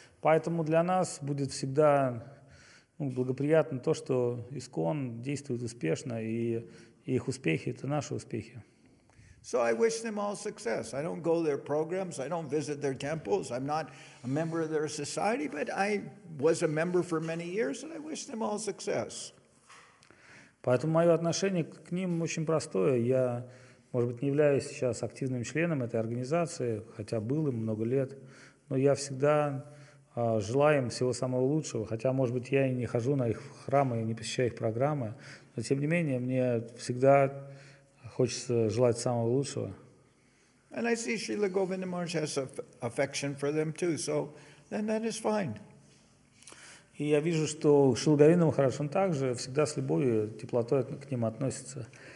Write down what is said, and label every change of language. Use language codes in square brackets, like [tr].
[ru] Поэтому для нас будет всегда, ну, благоприятно то, что ИСККОН действует успешно, и их успехи – это наши успехи. [en] So I wish them all success. I don't go to their programs. I don't visit their temples. I'm not a member of their society, but I was a member for many years, and I wish them all success. [ru] Поэтому мое отношение к ним очень простое. Я, может быть, не являюсь сейчас активным членом этой организации, хотя был им много лет, но я всегда желаю им всего самого лучшего. Хотя, может быть, я и не хожу на их храмы и не посещаю их программы, но тем не менее мне всегда хочется желать самого лучшего. [en] And I see Srila Govinda Maharaj has affection for them too, so then that is fine. [ru] И я вижу, что Шрила Говинда Махарадж, он также всегда с любовью и теплотой к ним относится.